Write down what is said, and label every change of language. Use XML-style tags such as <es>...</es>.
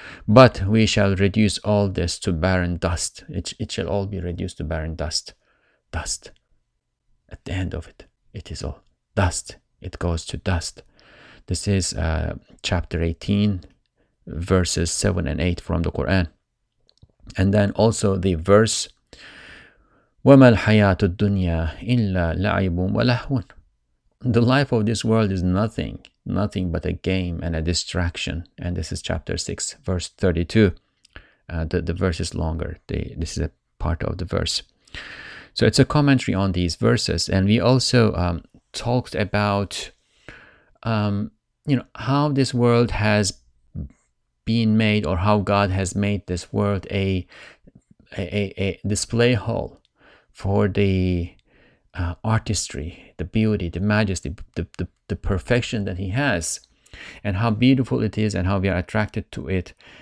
<en>But we shall reduce all this to barren dust. It shall all be reduced to barren dust. Dust. At the end of it, it is all dust. It goes to dust. This is chapter 18, verses 7 and 8 from the Quran. And then also the verse,</en> <ar>وَمَا الْحَيَاةُ الدُّنْيَا إِلَّا لَعِبٌ وَلَحْوٌ.</ar> <en>The life of this world is nothing, nothing but a game and a distraction. And this is chapter 6, verse 32. The verse is longer. This is a part of the verse. So it's a commentary on these verses. And we also talked about, how this world has been made, or how God has made this world a display hall for the artistry, the beauty, the majesty, the perfection that he has, and how beautiful it is, and how we are attracted to it.</en>